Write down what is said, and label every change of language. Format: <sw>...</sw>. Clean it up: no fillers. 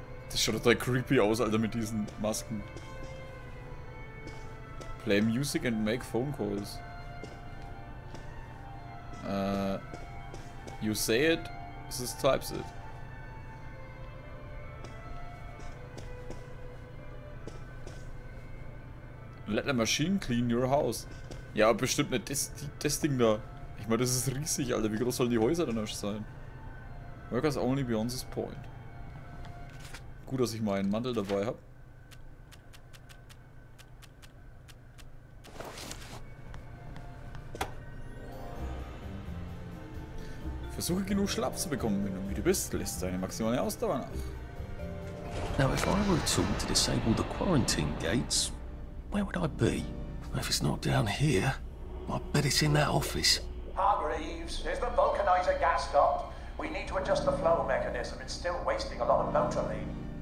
<de>Das schaut total creepy aus, Alter, mit diesen Masken.</de> <en>Play music and make phone calls. You say it, this types it. Let a machine clean your house.</en> <de>Ja, bestimmt nicht das Ding da. Ich meine, das ist riesig, Alter. Wie groß sollen die Häuser denn erst sein?</de> <en>Workers only beyond this point.</en> <de>Gut, dass ich meinen Mantel dabei habe. Versuche genug Schlaf zu bekommen, wenn du müde bist, lässt deine maximale Ausdauer nach.</de> <en>Now, if I were to disable the quarantine gates, where would I be? If it's not down here, I bet it's in that office. Hargreaves, is the vulcanizer gas stopped? We need to adjust the flow mechanism. It's still wasting a lot of motor lean.</en>